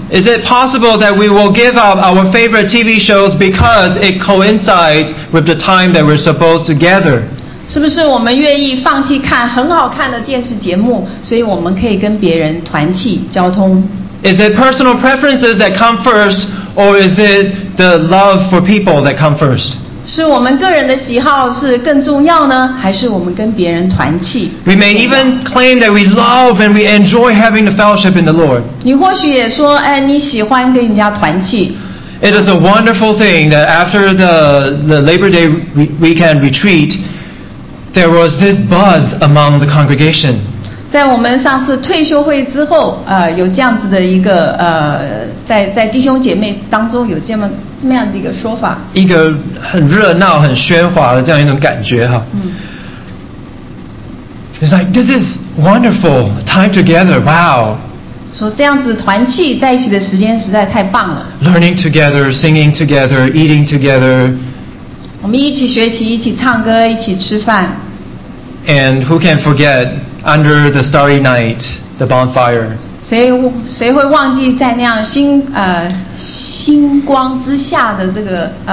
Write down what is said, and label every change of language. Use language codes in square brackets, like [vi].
[en] Is it possible that we will give up our favorite TV shows because it coincides with the time that we're supposed to gather? [zh] 是不是我们愿意放弃看很好看的电视节目，所以我们可以跟别人团契交通？ [en] Is it personal preferences that come first, or is it the love for people that come first? [zh] 是我们个人的喜好是更重要呢，还是我们跟别人团契？ [en] We may even claim that we love and we enjoy having the fellowship in the Lord. [zh] 你或许也说，哎，你喜欢跟人家团契。 [en] It is a wonderful thing that after the Labor Day weekend retreat, there was this buzz among the congregation. [zh] 在我们上次退休会之后，有这样子的一个在弟兄姐妹当中有这么。什么样的一个说法？一个很热闹、很喧哗的这样一种感觉哈。 [en] It's like this is wonderful time together. Wow. [zh] 说这样子团契在一起的时间实在太棒了。 [en] Learning together, singing together, eating together. [zh] 我们一起学习，一起唱歌，一起吃饭。 [en] And who can forget under the starry night, the bonfire? [zh] 谁会忘记在那样星星光之下的这个